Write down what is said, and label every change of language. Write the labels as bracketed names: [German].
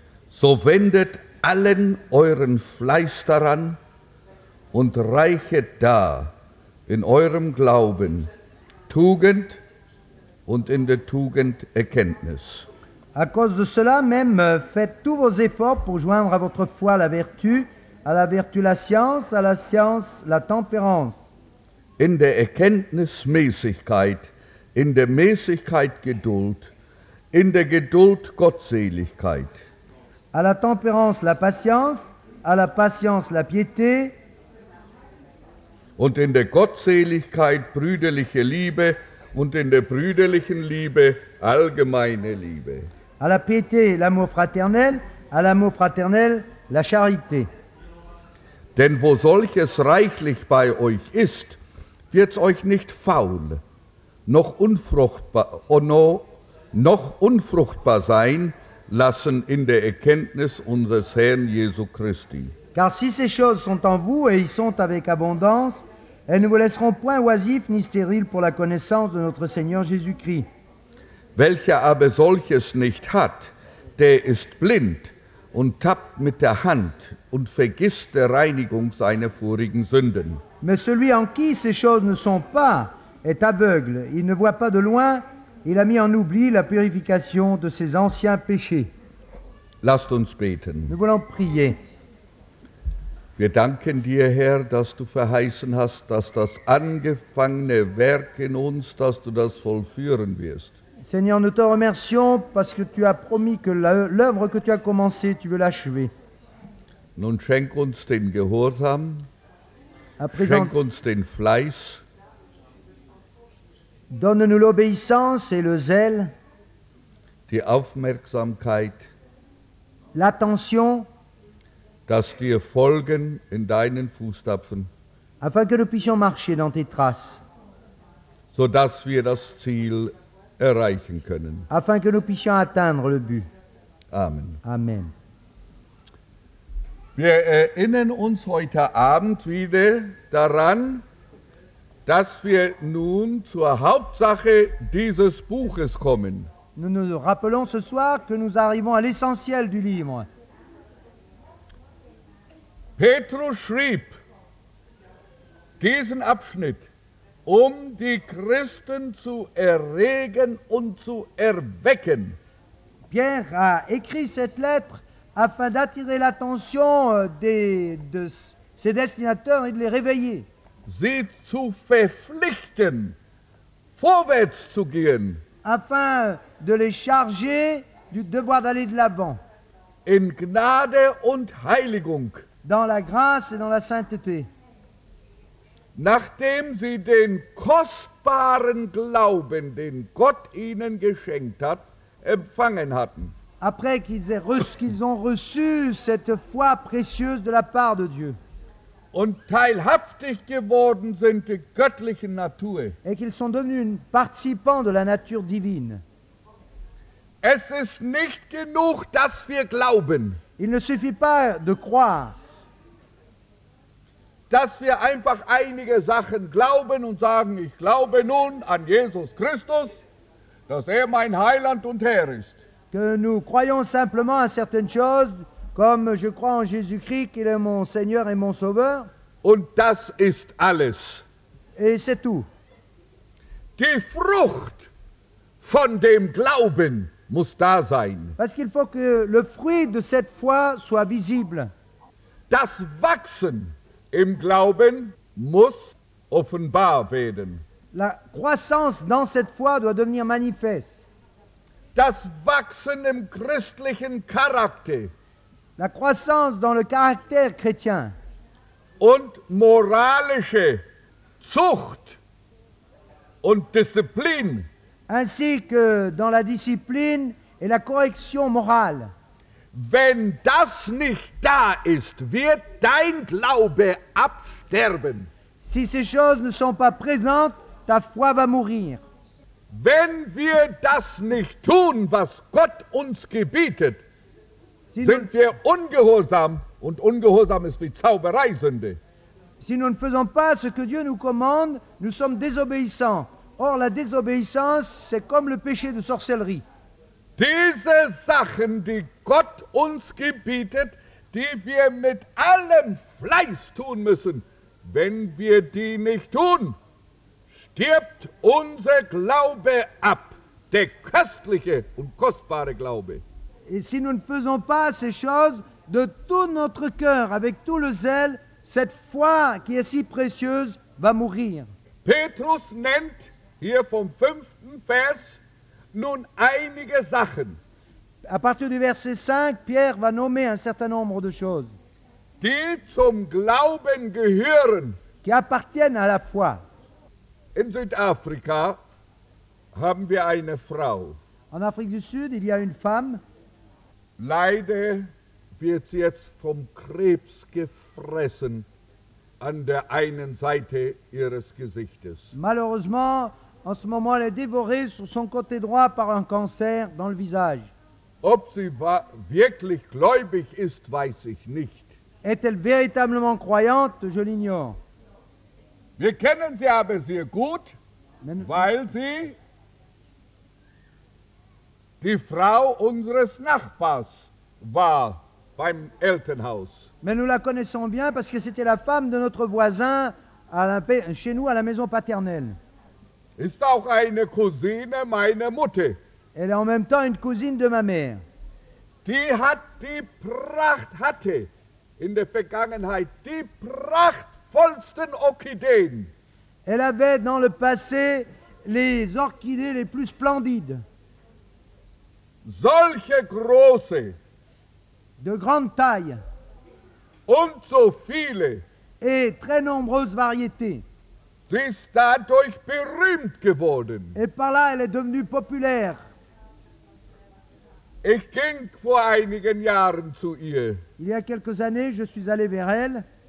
[German] So wendet allen euren Fleiß daran und reichet da in eurem Glauben Tugend und in der Tugend Erkenntnis. [French] À cause de cela même, faites tous vos efforts pour joindre à votre foi la vertu la science la tempérance. [German] In der Erkenntnismäßigkeit, in der Mäßigkeit Geduld, in der Geduld Gottseligkeit. [French] À la tempérance la patience, à la patience la piété. [German] Und in der Gottseligkeit brüderliche Liebe und in der brüderlichen Liebe allgemeine Liebe. [French] À la piété l'amour fraternel, à l'amour fraternel la charité. [German] Denn wo solches reichlich bei euch ist, wird's euch nicht faul, noch unfruchtbar, noch unfruchtbar sein lassen in der Erkenntnis unseres Herrn Jesu Christi. [French] Car si ces choses sont en vous et y sont avec abondance, elles ne vous laisseront point oisifs ni stériles pour la connaissance de notre Seigneur Jésus-Christ. [German] Welcher aber solches nicht hat, der ist blind und tappt mit der Hand und vergisst der Reinigung seiner vorigen Sünden. [French] Mais celui en qui ces choses ne sont pas est aveugle, il ne voit pas de loin, il a mis en oubli la purification de ses anciens péchés. [German] Lasst uns beten. [French] Nous voulons prier. [German] Wir danken dir, Herr, dass du verheißen hast, dass das angefangene Werk in uns, dass du das vollführen wirst. [French] Seigneur, nous te remercions parce que tu as promis que l'œuvre que tu as commencée, tu veux l'achever. [German] Nun schenk uns den Gehorsam, schenk uns den Fleiß. [French] Donne-nous l'obéissance et le zèle, [German] die Aufmerksamkeit, [French] l'attention, [German] dass wir folgen in deinen Fußstapfen, [French] afin que nous puissions marcher dans tes traces, [German] sodass wir das Ziel erreichen können, [French] afin que nous puissions atteindre le but. [German] Amen. [French] Amen. [German] Wir erinnern uns heute Abend wieder daran, dass wir nun zur Hauptsache dieses Buches kommen. [French] Nous nous rappelons ce soir que nous arrivons à l'essentiel du livre. [German] Petrus schrieb diesen Abschnitt, um die Christen zu erregen und zu erwecken. [French] Pierre a écrit cette lettre afin d'attirer l'attention de ses destinataires et de les réveiller. [German] Sie zu verpflichten, vorwärts zu gehen. [French] Afin de les charger du devoir d'aller de l'avant. [German] In Gnade und Heiligung. [French] Dans la grâce et dans la sainteté. [German] Nachdem sie den kostbaren Glauben, den Gott ihnen geschenkt hat, empfangen hatten. [French] Après qu'ils ont reçu cette foi précieuse de la part de Dieu. [German] Und teilhaftig geworden sind der göttlichen Natur. [French] Et qu'ils sont devenus participants de la nature divine. [German] Es ist nicht genug, dass wir glauben. [French] Il ne suffit pas de croire. [German] Dass wir einfach einige Sachen glauben und sagen, ich glaube nun an Jesus Christus, dass er mein Heiland und Herr ist. [French] Que nous croyons simplement à certaines choses, comme je crois en Jésus-Christ, qu'il est mon Seigneur et mon Sauveur. [German] Und das ist alles. [French] Et c'est tout. [German] Die Frucht von dem Glauben muss da sein. [French] Parce qu'il faut que le fruit de cette foi soit visible. [German] Das Wachsen im Glauben muss offenbar werden. [French] La croissance dans cette foi doit devenir manifeste. [German] Das Wachsen im christlichen Charakter. [French] La croissance dans le caractère chrétien. [German] Und moralische Zucht und Disziplin. [French] Ainsi que dans la discipline et la correction morale. [German] Wenn das nicht da ist, wird dein Glaube absterben. [French] Si ces choses ne sont pas présentes, ta foi va mourir. [German] Wenn wir das nicht tun, was Gott uns gebietet, sind wir ungehorsam, und ungehorsam ist wie Zauberei Sünde. [French] Si nous ne faisons pas ce que Dieu nous commande, nous sommes désobéissants. Or, la désobéissance, c'est comme le péché de sorcellerie. [German] Diese Sachen, die Gott uns gebietet, die wir mit allem Fleiß tun müssen, wenn wir die nicht tun, stirbt unser Glaube ab, der köstliche und kostbare Glaube. [French] Et si nous ne faisons pas ces choses de tout notre cœur, avec tout le zèle, cette foi qui est si précieuse va mourir. [German] Petrus nennt hier vom fünften Vers nun einige Sachen. [French] À partir du verset 5, Pierre va nommer un certain nombre de choses. [German] Die zum Glauben gehören. [French] Qui appartiennent à la foi. [German] In Südafrika haben wir eine Frau. [French] En Afrique du Sud, il y a une femme. [German] Leider wird sie jetzt vom Krebs gefressen an der einen Seite ihres Gesichtes. [French] Malheureusement, en ce moment, elle est dévorée sur son côté droit par un cancer dans le visage. [German] Ob sie wirklich gläubig ist, weiß ich nicht. [French] Est-elle véritablement croyante? Je l'ignore. [German] Wir kennen sie aber sehr gut, weil sie die Frau unseres Nachbars war beim Elternhaus. [French] Mais nous la connaissons bien parce que c'était la femme de notre voisin chez nous à la maison paternelle. [German] Ist auch eine Cousine meiner Mutter. [French] Elle est en même temps une cousine de ma mère. [German] Die hat die Pracht, hatte in der Vergangenheit die prachtvollsten Orchideen. [French] Elle avait dans le passé les orchidées les plus splendides. [German] Solche große. [French] De grande taille. [German] Und so viele. [French] Et très nombreuses variétés. [German] Sie ist dadurch berühmt geworden. [French] Et par là, elle est devenue populaire. [German] Ich ging vor einigen Jahren zu ihr. [French] Il y a quelques années, je suis allé vers elle.